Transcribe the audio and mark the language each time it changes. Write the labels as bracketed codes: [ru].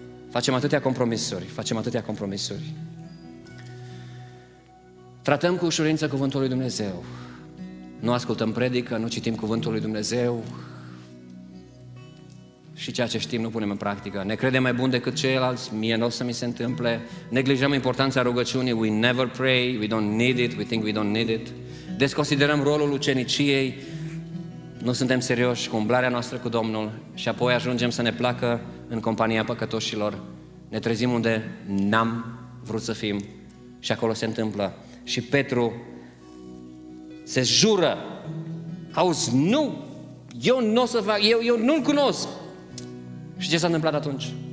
[ro] Facem atâtea compromisuri, Tratăm cu ușurință cuvântul lui Dumnezeu. Nu ascultăm predică, nu citim cuvântul lui Dumnezeu. Și ceea ce știm nu punem în practică. Ne credem mai bun decât ceilalți, mie n-o să mi se întâmple. Neglijăm importanța rugăciunii, [en] we never pray, we don't need it, [ro] we think we don't need it. Desconsiderăm rolul uceniciei, nu suntem serioși cu umblarea noastră cu Domnul și apoi ajungem să ne placă în compania păcătoșilor. Ne trezim unde n-am vrut să fim și acolo se întâmplă. Și Petru se jură, auzi, nu, eu n-o să fac, eu nu-l cunosc. Și ce s-a întâmplat atunci?